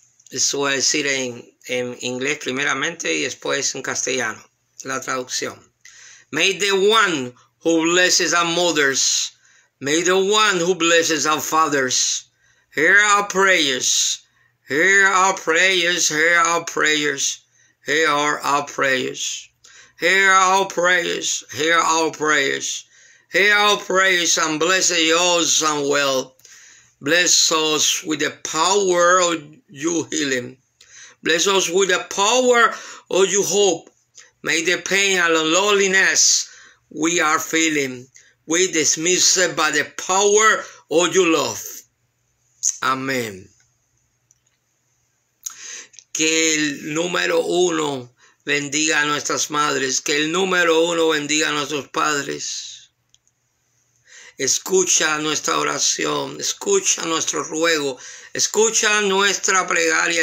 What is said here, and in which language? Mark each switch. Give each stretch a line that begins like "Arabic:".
Spanish: Les voy a decir en inglés primeramente y después en castellano la traducción.
English: May the one who blesses our mothers, may the one who blesses our fathers, hear our prayers, hear our prayers, hear our prayers. Hear our prayers. Hear our prayers. Hear our prayers. Hear our prayers and bless us and well. Bless us with the power of your healing. Bless us with the power of your hope. May the pain and the loneliness we are feeling, we dismiss it by the power of your love. Amen.
Spanish: Que el número uno bendiga a nuestras madres. Que el número uno bendiga a nuestros padres. Escucha nuestra oración. Escucha nuestro ruego. Escucha nuestra plegaria.